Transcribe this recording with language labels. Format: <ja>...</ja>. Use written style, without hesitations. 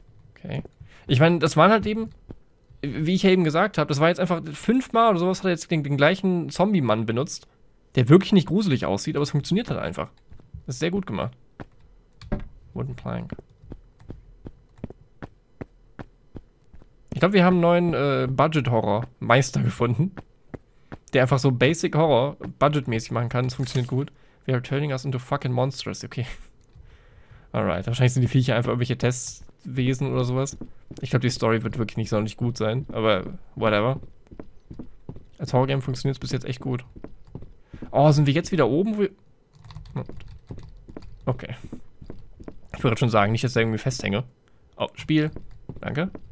<de>Okay. Ich meine, das waren halt eben, wie ich ja eben gesagt habe, das war jetzt einfach fünfmal oder sowas hat er jetzt den gleichen Zombie-Mann benutzt, der wirklich nicht gruselig aussieht, aber es funktioniert halt einfach. Das ist sehr gut gemacht. Wooden Plank. Ich glaube, wir haben einen neuen Budget-Horror-Meister gefunden, der einfach so Basic-Horror budgetmäßig machen kann. Das funktioniert gut.</de> <en>We are turning us into fucking monsters, okay.</en> <de>Alright, wahrscheinlich sind die Viecher einfach irgendwelche Tests... Wesen oder sowas. Ich glaube, die Story wird wirklich nicht sonderlich gut sein, aber whatever. Als Horrorgame funktioniert es bis jetzt echt gut. Oh, sind wir jetzt wieder oben? Okay. Ich würde schon sagen, nicht, dass ich irgendwie festhänge. Oh, Spiel. Danke.</de>